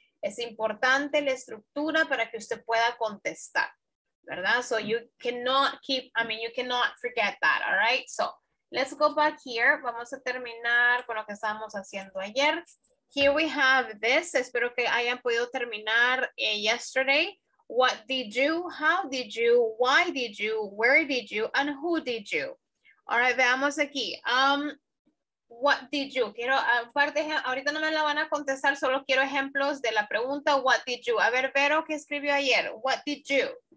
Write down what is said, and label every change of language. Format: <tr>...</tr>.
<es>Es importante la estructura para que usted pueda contestar, ¿verdad?</es> <en>So you cannot keep, I mean, you cannot forget that, all right? So let's go back here.</en> <es>Vamos a terminar con lo que estábamos haciendo ayer.</es> <en>Here we have this.</en> <es>Espero que hayan podido terminar</es> <en>yesterday. What did you, how did you, why did you, where did you, and who did you? All right,</en> <es>veamos aquí.</es> <en>What did you?</en> <es>Quiero, aparte, ahorita no me la van a contestar, solo quiero ejemplos de la pregunta,</es> <en>what did you?</en> <es>A ver, Vero, ¿qué escribió ayer?</es> <en>What did you?</en>